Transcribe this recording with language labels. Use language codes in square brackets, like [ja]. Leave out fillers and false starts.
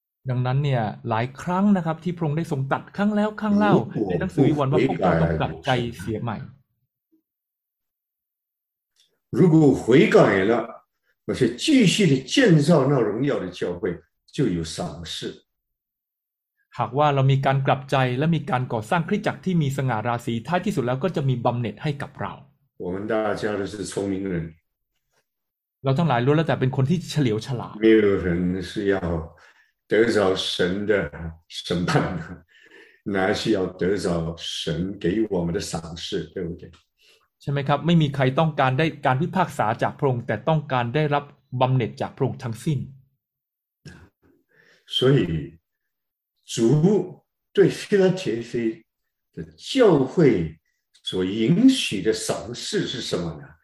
[th] ดังนั้นเนี่ยหลายครั้งนะครับที่พระองค์ได้ทรงตัดครั้งแล้วครั้งเล่าในหนังสือวิวรณ์ว่าพวกเขาต้องกลับใจเสียใหม่ [zh] 如果悔改了而且继续地建造那荣耀的教会就有赏赐 [th] หากว่าเรามีการกลับใจและมีการก่อสร้างคริสตจักรที่มีสง่าราศีท้ายที่สุดแล้วก็จะมีบำเหน็จให้กับเรา [zh] 我们大家都是聪明人 [th] เราทั้งหลายรู้แล้วแต่เป็นคนที่เฉลียวฉลาด [zh] 没有人是要得着神的审判乃是要得着神给我们的赏赐对不对 [th] ใช่ไหมครับไม่มีใครต้องการได้การพิพากษาจากพระองค์แต่ต้องการได้รับบำเหน็จจากพระองค์ทั้งสิ้น [zh] 所以主对腓立帖腓的教会所允许的赏赐是什么呢？